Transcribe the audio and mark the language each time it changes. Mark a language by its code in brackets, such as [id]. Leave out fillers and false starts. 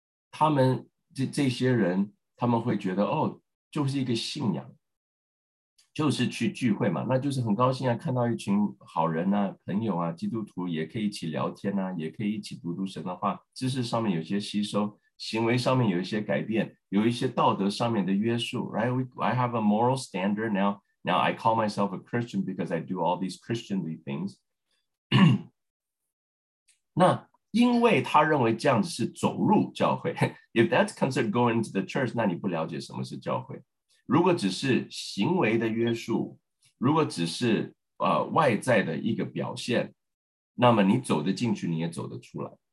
[zh] 他们 这些人他们会觉得哦，就是一个信仰，就是去聚会嘛，那就是很高兴啊，看到一群好人啊，朋友啊，基督徒也可以一起聊天啊，也可以一起读读神的话，知识上面有些吸收，行为上面有一些改变，有一些道德上面的约束， right? [en] I have a moral standard now. Now I call myself a Christian because I do all these Christianly things. [zh] 那因为他认为这样子是走入教会。 [en] If that's considered going to the church, [zh] 那你不了解什么是教会。如果只是行为的约束，如果只是、外在的一个表现，那么你走得进去你也走得出来、